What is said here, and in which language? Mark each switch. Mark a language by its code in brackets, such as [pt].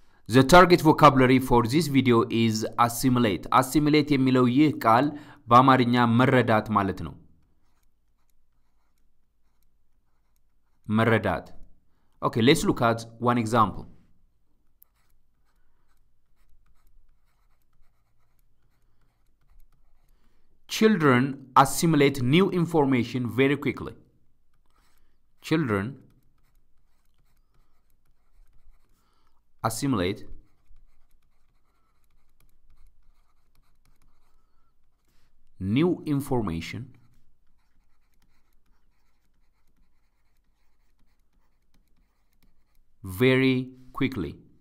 [en] The target vocabulary for this video is assimilate. [am] Assimilate የሚለው ይህ ቃል በአማርኛ መረዳት ማለት ነው። መረዳት. [en] Okay, let's look at one example. Children assimilate new information very quickly. Children assimilate new information very quickly.